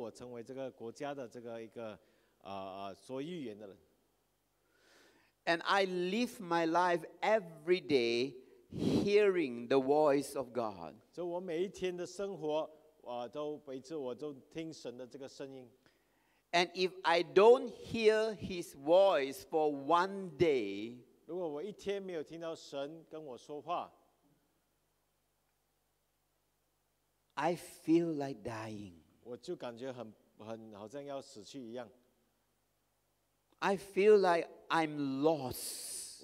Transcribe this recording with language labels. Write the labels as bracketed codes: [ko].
[zh] 很多年前，主召我成为这个国家的这个一个。 [en] And I live my life every day hearing the voice of God. [zh] So 我每一天的生活，都听神的这个声音。 [en] And if I don't hear His voice for one day, [zh] 如果我一天没有听到神跟我说话， [en] I feel like dying. [zh] 我就感觉很好像要死去一样。 [en] I feel like I'm lost.